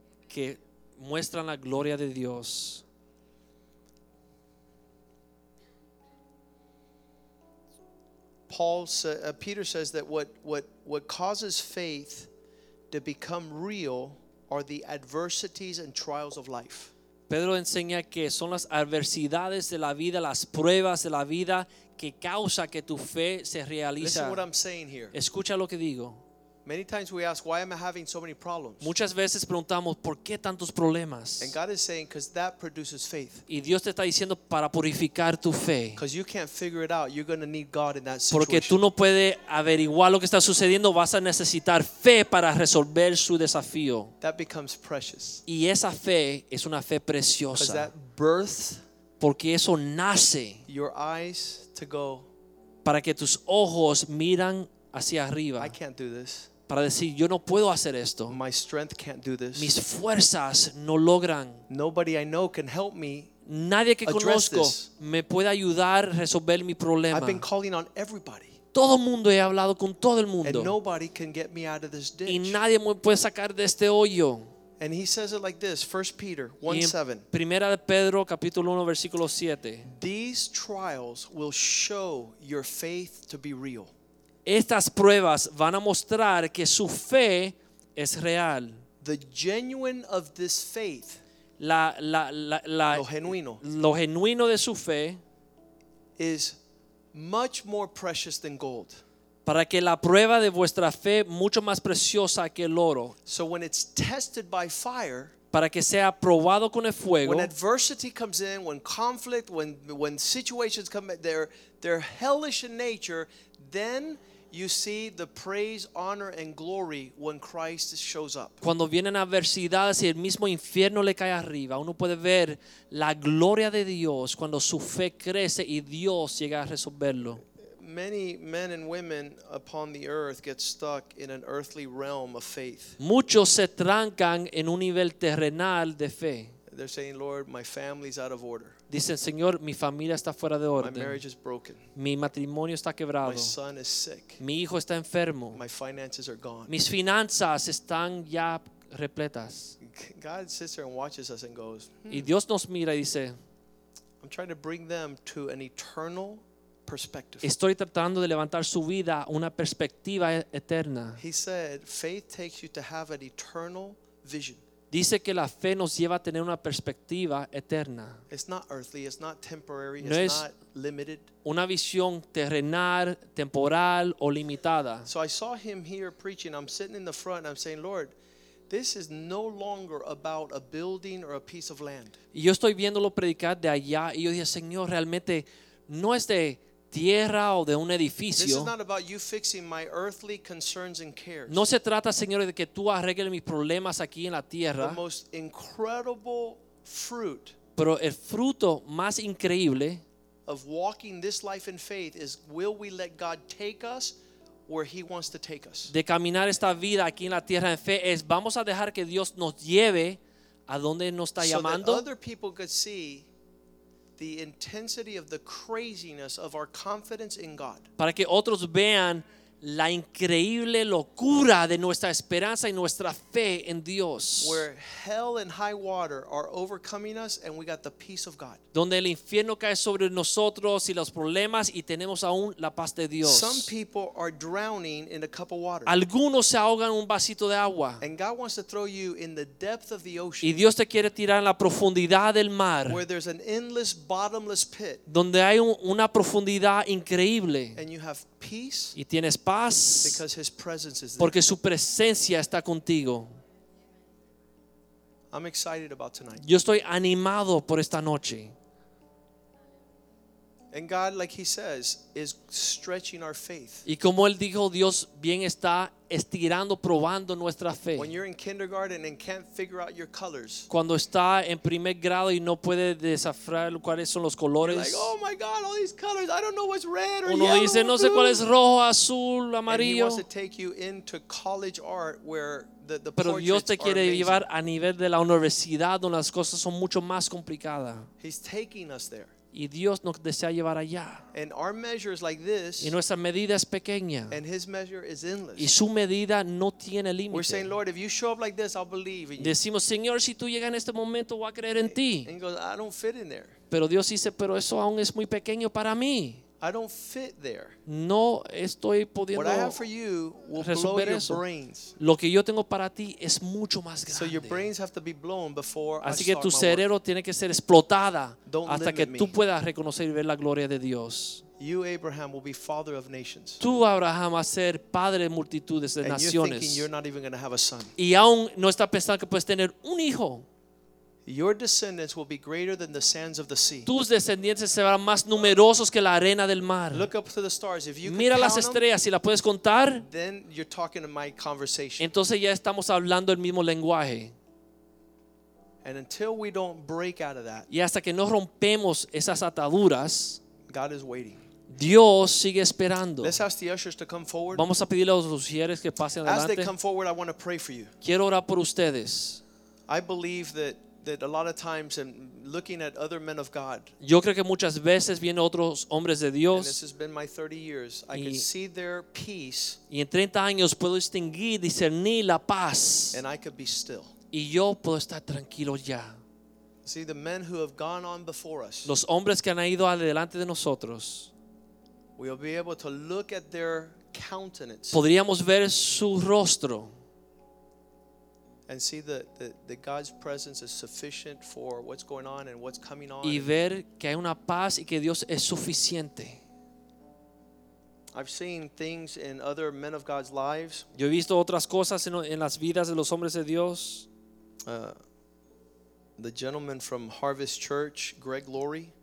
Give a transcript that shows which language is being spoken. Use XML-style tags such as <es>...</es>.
<es>Que muestran la gloria de Dios.</es> <en>Paul said, Peter says that what causes faith to become real are the adversities and trials of life.</en> <es>Pedro enseña que son las adversidades de la vida, las pruebas de la vida que causa que tu fe se realiza.</es> <en>Listen to what I'm saying here.</en> <es>Escucha lo que digo.</es> <en>Many times we ask, why am I having so many problems?</en> <es>Muchas veces preguntamos, ¿por qué tantos problemas?</es> <en>And God is saying, because that produces faith.</en> <es>Y Dios te está diciendo para purificar tu fe.</es> <en>Because you can't figure it out, you're going to need God in that situation.</en> <es>Porque tú no puedes averiguar lo que está sucediendo, vas a necesitar fe para resolver su desafío.</es> <en>That becomes precious.</en> <es>Y esa fe es una fe preciosa.</es> <en>Because that births.</en> <es>Porque eso nace.</es> <en>Your eyes to go.</en> <es>Para que tus ojos miran hacia arriba.</es> <en>I can't do this.</en> <es>para decir yo no puedo hacer esto.</es> <en>My strength can't do this.</en> <es>Mis fuerzas no logran.</es> <en>Nobody I know can help me.</en> <es>Nadie que conozco</es> <en>this.</en> <es>Me puede ayudar a resolver mi problema.</es> <en>I've been calling on everybody.</en> <es>Todo mundo he hablado con todo el mundo.</es> <en>And nobody can get me out of this ditch.</en> <es>Y nadie me puede sacar de este hoyo.</es> <en>And he says it like this, 1 Peter 1:7.</en> <es>Primera de Pedro capítulo 1 versículo 7.</es> <en>These trials will show your faith to be real.</en> <es>Estas pruebas van a mostrar que su fe es real.</es> <en>The genuine of this faith.</en> <es>Lo genuino de su fe</es> <en>is much more precious than gold.</en> <es>Para que la prueba de vuestra fe mucho más preciosa que el oro.</es> <en>So when it's tested by fire,</en> <es>para que sea probado con el fuego.</es> <en>When adversity comes in, when conflict, when situations come, they're hellish in nature, then you see the praise, honor, and glory when Christ shows up.</en> <es>Cuando vienen adversidades y el mismo infierno le cae arriba, uno puede ver la gloria de Dios cuando su fe crece y Dios llega a resolverlo.</es> <en>Many men and women upon the earth get stuck in an earthly realm of faith.</en> <es>Muchos se trancan en un nivel terrenal de fe.</es> <en>They're saying, "Lord, my family's out of order."</en> <es>Dicen, Señor, mi familia está fuera de orden.</es> <en>My marriage is broken.</en> <es>Mi matrimonio está quebrado.</es> <en>My son is sick.</en> <es>Mi hijo está enfermo.</es> <en>My finances are gone.</en> <es>Mis finanzas están ya repletas.</es> <en>God sits there and watches us and goes.</en> <es>Y Dios nos mira y dice,</es> <en>I'm trying to bring them to an eternal perspective.</en> <es>Estoy tratando de levantar su vida a una perspectiva eterna.</es> <en>He said, faith takes you to have an eternal vision.</en> <es>Dice que la fe nos lleva a tener una perspectiva eterna.</es> <en>It's not earthly, it's not temporary,</en> <es>no</es> <en>it's not limited.</en> <es>Una visión terrenal, temporal o limitada.</es> <en>So I saw him here preaching. I'm sitting in the front and I'm saying, Lord, this is no longer about a building or a piece of land.</en> <es>Y yo estoy viéndolo predicar de allá y yo dije, Señor, realmente no es de tierra o de un edificio.</es> <en>This is not about you fixing my earthly concerns and cares.</en> <es>No se trata, Señor, de que tú arregles mis problemas aquí en la tierra.</es> <en>The most incredible fruit.</en> <es>Pero el fruto más increíble</es> <en>of walking this life in faith is, will we let God take us where he wants to take us?</en> <es>De caminar esta vida aquí en la tierra en fe es, vamos a dejar que Dios nos lleve a donde nos está llamando.</es> <en>So that other people could see the intensity of the craziness of our confidence in God.</en> <es>Para que otros vean la increíble locura de nuestra esperanza y nuestra fe en Dios.</es> <en>Where hell and high water are overcoming us and we got the peace of God.</en> <es>Donde el infierno cae sobre nosotros y los problemas y tenemos aún la paz de Dios.</es> <en>Some people are drowning in a cup of water.</en> <es>Algunos se ahogan en un vasito de agua.</es> <en>And God wants to throw you in the depth of the ocean.</en> <es>Y Dios te quiere tirar en la profundidad del mar.</es> <en>Where there's an endless bottomless pit.</en> <es>Donde hay una profundidad increíble.</es> <en>And you have peace.</en> <es>Y tienes paz</es> <en>because his presence is there.</en> <es>Porque su presencia está contigo.</es> <en>I'm excited about tonight.</en> <es>Yo estoy animado por esta noche.</es> <en>And God, like he says, is stretching our faith.</en> <es>Y como él dijo, Dios bien está estirando, probando nuestra fe.</es> <en>When you're in kindergarten and can't figure out your colors.</en> <es>Cuando está en primer grado y no puede descifrar cuáles son los colores.</es> <en>You're like, oh my God, all these colors! I don't know what's red or</en> <es>uno</es> <en>yellow.</en> <es>Uno dice, no sé cuál es rojo, azul, amarillo.</es> <en>And he wants to take you into college art where the</en> <es>pero Dios te quiere llevar a nivel de la universidad donde las cosas son mucho más complicadas.</es> <en>He's taking us there.</en> <es>Y Dios nos desea llevar allá.</es> <en>And our measure is like this.</en> <es>Y nuestra medida es pequeña.</es> <en>And his measure is endless.</en> <es>Y su medida no tiene límite.</es> <en>We're saying, Lord, if you show up like this, I'll believe in you.</en> <es>Decimos, Señor, si tú llegas en este momento, voy a creer en ti.</es> <en>And he goes, I don't fit in there.</en> <es>Pero Dios dice, pero eso aún es muy pequeño para mí.</es> <en>I don't fit there.</en> <es>No estoy pudiendo.</es> <en>What I have for you will blow your</en> <es>eso.</es> <en>Brains.</en> <es>Lo que yo tengo para ti es mucho más grande.</es> <en>So your brains have to be blown before</en> <es>así</es> <en>I start</en> <es>que tu cerebro tiene que ser explotada hasta que tú puedas reconocer y ver la gloria de Dios.</es> <en>You Abraham will be father of nations.</en> <es>Tú Abraham vas a ser padre de multitudes de</es> <en>and</en> <es>naciones.</es> <en>And you're thinking you're not even going to have a son.</en> <es>Y aún no está pensando que puedes tener un hijo.</es> <en>Your descendants will be greater than the sands of the sea.</en> <es>Tus descendientes serán más numerosos que la arena del mar.</es> <en>Look up to the stars if you can.</en> <es>Mira las estrellas si las puedes contar.</es> <en>Then you're talking in my conversation.</en> <es>Entonces ya estamos hablando el mismo lenguaje.</es> <en>And until we don't break out of that.</en> <es>Y hasta que no rompemos esas ataduras,</es> <en>God is waiting.</en> <es>Dios sigue esperando.</es> <en>Let's ask the ushers to come forward.</en> <es>Vamos a pedirle a los ushieres que pasen adelante.</es> <en>As they come forward, I want to pray for you.</en> <es>Quiero orar por ustedes.</es> <en>I believe that a lot of times in looking at other men of God.</en> <es>Yo creo que muchas veces viendo otros hombres de Dios.</es> <en>And this has been my 30 years. I can see their peace.</en> <es>Y en 30 años puedo distinguir, discernir la paz.</es> <en>And I could be still.</en> <es>Y yo puedo estar tranquilo ya.</es> <en>See the men who have gone on before us.</en> <es>Los hombres que han ido adelante de nosotros.</es> <en>We'll be able to look at their countenance.</en> <es>Podríamos ver su rostro.</es> <en>And see the God's presence is sufficient for what's going on and what's coming on.</en> <es>Y ver que hay una paz y que Dios es suficiente.</es> <en>I've seen things in other men of God's lives.</en> <es>Yo he visto otras cosas en las vidas de los hombres de Dios.</es> <en>The gentleman from Harvest Church, Greg Laurie.</en>